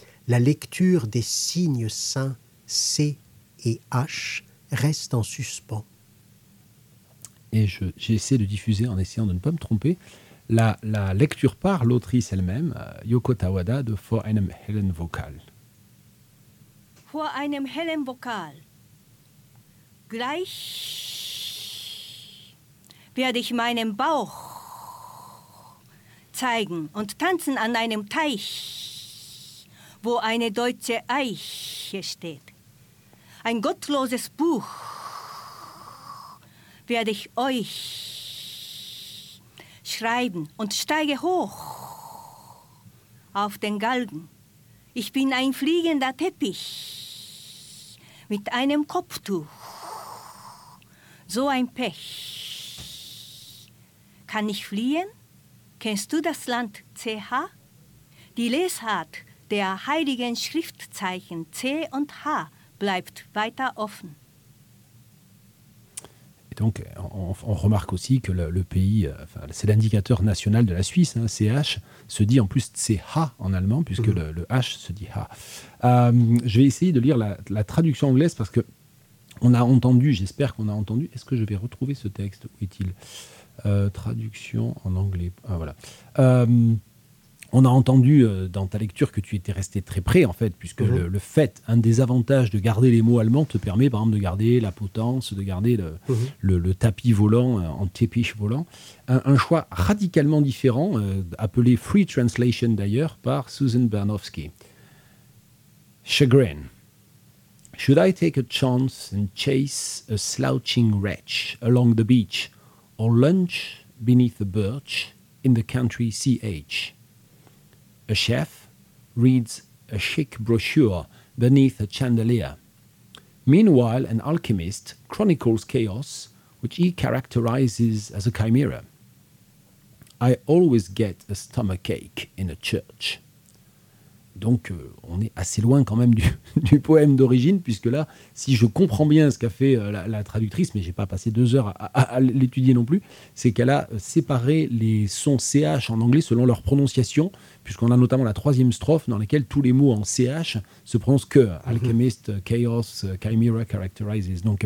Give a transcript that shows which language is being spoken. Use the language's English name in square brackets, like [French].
[French] La lecture des signes saints C et H reste en suspens. Et j'essaie de diffuser en essayant de ne pas me tromper. La lecture par l'autrice elle-même, Yoko Tawada, de Vor einem hellen Vokal. [German] Vor einem hellen Vokal. Gleich werde ich meinen Bauch zeigen und tanzen an einem Teich, wo eine deutsche Eiche steht. Ein gottloses Buch werde ich euch schreiben und steige hoch auf den Galgen. Ich bin ein fliegender Teppich mit einem Kopftuch. So ein Pech. Kann ich fliehen? Kennst du das Land CH? Die Lesart der heiligen Schriftzeichen C und H bleibt weiter offen. [French] Et donc, on remarque aussi que le pays, enfin, c'est l'indicateur national de la Suisse, hein, CH, se dit en plus CH en allemand, puisque le H se dit H. Je vais essayer de lire la traduction anglaise, parce qu'on a entendu, j'espère qu'on a entendu. Est-ce que je vais retrouver ce texte? Où est-il? Traduction en anglais. Ah, voilà. On a entendu dans ta lecture que tu étais resté très près, en fait, puisque le fait, un des avantages de garder les mots allemands te permet, par exemple, de garder la potence, de garder le tapis volant en Teppich volant. Un choix radicalement différent, appelé Free Translation d'ailleurs, par Susan Bernofsky. Chagrin. [English] Should I take a chance and chase a slouching wretch along the beach or lunch beneath a birch in the country CH? A chef reads a chic brochure beneath a chandelier. Meanwhile, an alchemist chronicles chaos, which he characterizes as a chimera. I always get a stomachache in a church. [French] Donc, on est assez loin quand même du poème d'origine, puisque là, si je comprends bien ce qu'a fait la traductrice, mais je n'ai pas passé deux heures à l'étudier non plus, c'est qu'elle a séparé les sons CH en anglais selon leur prononciation, puisqu'on a notamment la troisième strophe dans laquelle tous les mots en CH se prononcent que alchemist, chaos, chimera, characterizes.